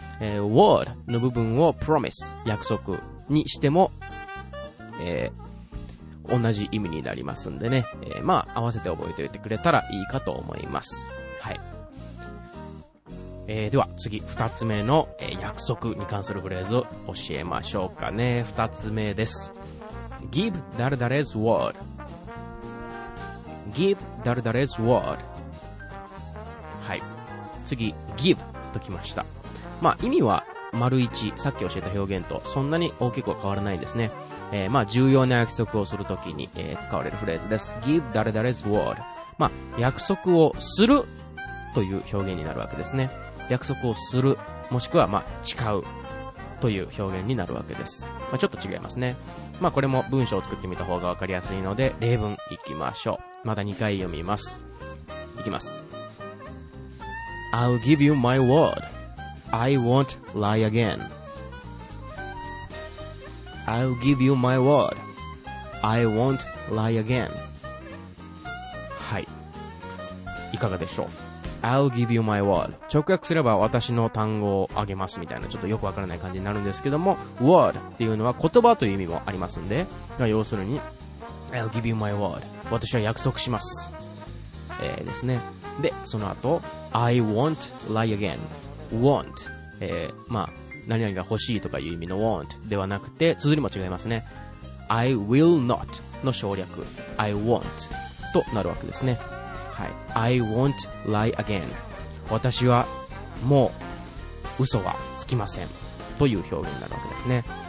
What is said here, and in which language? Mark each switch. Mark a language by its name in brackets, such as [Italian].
[Japanese] word の部分を promise 約束にしても、同じ意味になりますんでね、まあ合わせて覚えておいてくれたらいいかと思います。はい、では次二つ目の、約束に関するフレーズを教えましょうかね。二つ目です。 [English] Give 誰々's word。 Give 誰々's word。 [Japanese] はい、次 Give ときました。まあ意味は丸一、さっき教えた表現とそんなに大きくは変わらないんですね。まあ重要な約束をするときに、使われるフレーズです。 [English] Give 誰々's word、 [Japanese] まあ約束をするという表現になるわけですね。約束をする、もしくはまあ誓うという表現になるわけです。まあちょっと違いますね。まあこれも文章を作ってみた方がわかりやすいので例文いきましょう。まだ2回読みます。いきます。 [English] I'll give you my word I won't lie againI'll give you my word. I won't lie again. [Japanese] はい、いかがでしょう。 [English] I'll give you my word。 [Japanese] 直訳すれば私の単語をあげますみたいな、ちょっとよくわからない感じになるんですけども、 word っていうのは言葉という意味もありますんで、まあ、要するに [English] I'll give you my word、 [Japanese] 私は約束します、ですね。で、その後 [English] I won't lie again。 [Japanese] Won't、まあ何々が欲しいとかいう意味の want ではなくて、綴りも違いますね。 [English] I will not [Japanese] の省略 [English] I won't [Japanese] となるわけですね。はい、 [English] I won't lie again、 [Japanese] 私はもう嘘はつきませんという表現になるわけですね。